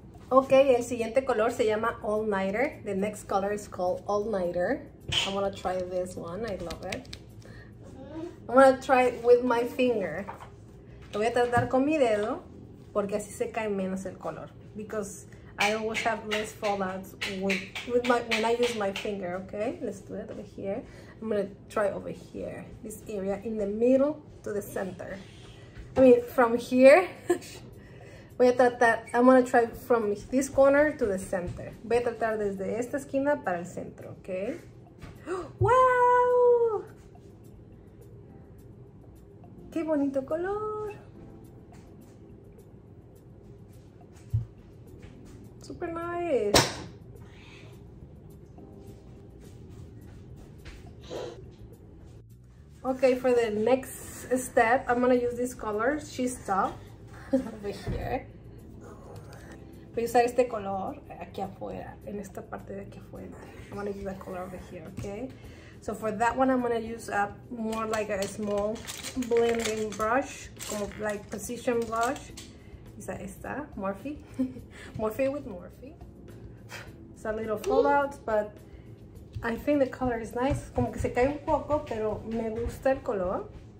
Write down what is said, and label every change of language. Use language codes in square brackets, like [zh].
[es] Okay, el siguiente color se llama All Nighter. [en] The next color is called All Nighter. I'm gonna try this one. I love it. I'm gonna try it with my finger. [es] Lo voy a tratar con mi dedo porque así se cae menos el color. [en] Because I always have less fallouts when I use my finger, okay? Let's do it over here. I'm gonna try over here. This area in the middle to the center. I mean, from here, [es] voy a tratar, [en] I'm gonna try from this corner to the center. [es] Voy a tratar desde esta esquina para el centro, okay? Wow! Qué bonito color. [en] Super nice. Okay, for the next step, I'm gonna use this color, She's Tough, over here. [es] Voy a usar este color aquí afuera, en esta parte de aquí afuera. [en] I'm gonna use that color over here, okay? So for that one, I'm gonna use a more like a small blending brush, como like precision brush. Is that esta? Morphe? Morphe with Morphe. It's a little fallout, but I think the color is nice. [es] Como que se cae un poco, pero me gusta el color.